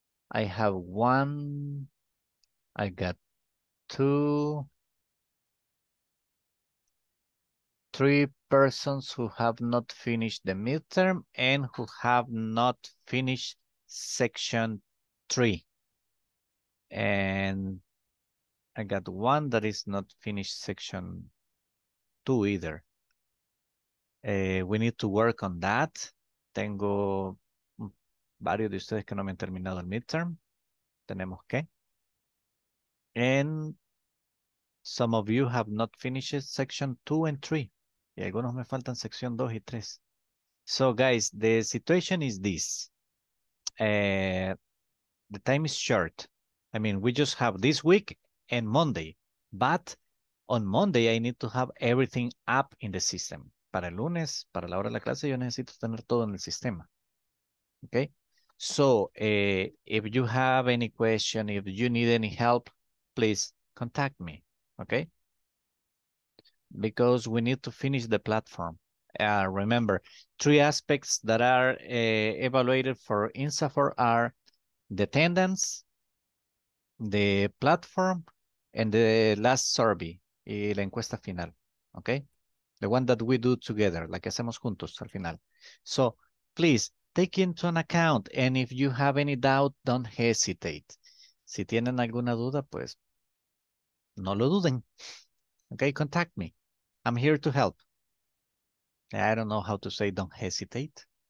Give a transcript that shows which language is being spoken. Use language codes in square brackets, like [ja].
[en] I have one, I got two, three persons who have not finished the midterm and who have not finished section three. And I got one that is not finished section two either. We need to work on that. [es] Tengo varios de ustedes que no me han terminado el midterm. Tenemos que. [en] And some of you have not finished section 2 and 3. [es] Y algunos me faltan sección 2 y 3. [en] So, guys, the situation is this. The time is short. I mean, we just have this week and Monday. But on Monday, I need to have everything up in the system. [es] Para el lunes, para la hora de la clase, yo necesito tener todo en el sistema. [en] Okay? So, if you have any question, if you need any help, please contact me, okay? Because we need to finish the platform. Remember, three aspects that are evaluated for INSAFOR are the attendance, the platform, and the last survey, [es] y la encuesta final, [en] okay? The one that we do together, [es] la que hacemos juntos al final. [en] So, please, take into an account, and if you have any doubt, don't hesitate. [es] Si tienen alguna duda, pues, no lo duden. [en] Okay, contact me. I'm here to help. I don't know how to say don't hesitate.